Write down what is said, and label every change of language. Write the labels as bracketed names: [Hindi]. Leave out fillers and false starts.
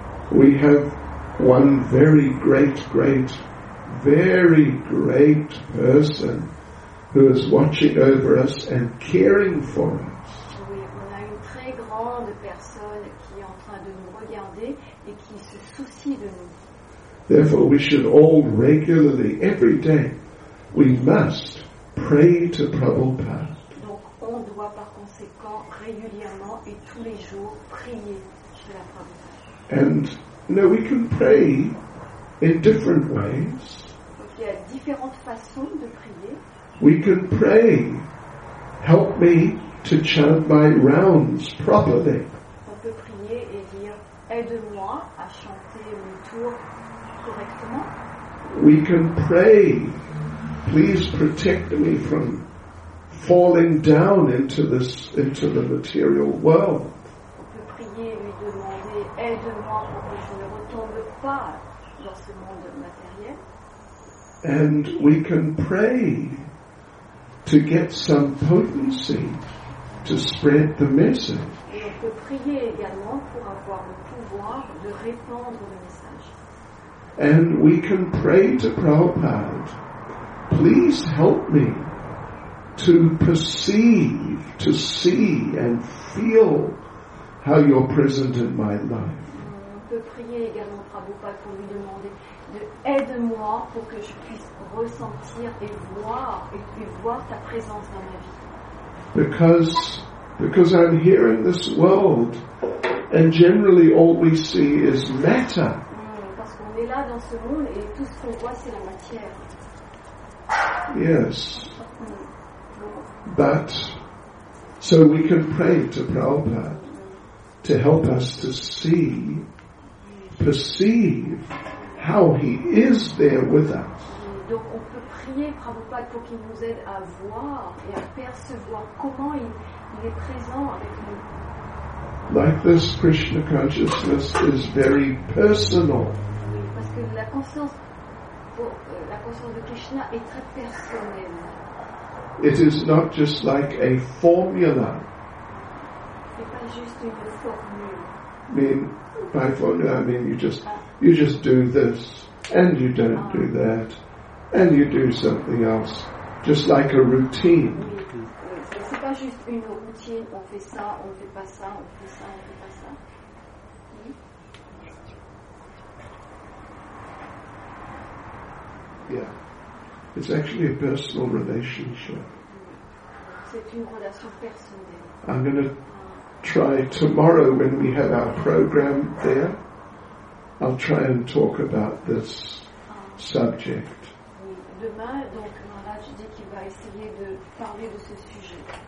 [English] We have one very great person who is watching over us and caring for us. [French] Oui, on a une très grande personne qui est en train de nous regarder et qui se soucie de nous. [English] Therefore, we should all regularly, every day, we must pray to Prabhupada. [French] Donc on doit par conséquent régulièrement et tous les jours prier Srila Prabhupada. [English] And now we can pray in different ways. [French] Donc il y a différentes façons de prier. [English] We can pray, help me to chant my rounds properly. [French] On peut prier et dire aide-moi à chanter mes tours correctement. [English] We can pray, please protect me from falling down into the material world. [French] On peut prier et lui demander aide-moi pour que je ne retombe pas dans ce monde matériel. [English] And we can pray to get some potency to spread the message. [French] Et on peut prier également pour avoir le pouvoir de répandre le message. [English] And we can pray to Prabhupada, please help me to perceive, to see and feel how you're present in my life. [French] On peut prier également Prabhupada pour lui demander de aide-moi pour que je puisse ressentir et voir ta présence dans ma vie. [English] Because I'm here in this world and generally all we see is matter. [French] Et là dans ce monde et tout ce qu'on voit c'est la matière. [English] Yes. But so we can pray to Prabhupada to help us to see, perceive how he is there with us. [French] Donc on peut prier Prabhupada pour qu'il nous aide à voir et à percevoir comment il est présent avec nous. [English] Like this Krishna consciousness is very personal. [French] La conscience de Krishna est très personnelle. [English] It is not just like a formula. [French] C'est pas juste une formule. [English] You just do this and you don't do that and you do something else, just like a routine. [French] Oui. C'est pas juste une routine. On fait ça, on fait pas ça, on fait ça, on fait pas ça. [English] Yeah, it's actually a personal relationship. [French] C'est une relation personnelle. [English] I'm going to try tomorrow when we have our program there. I'll try and talk about this subject. [French] Oui. Demain, donc, Maharaj dit qu'il va essayer de parler de ce sujet.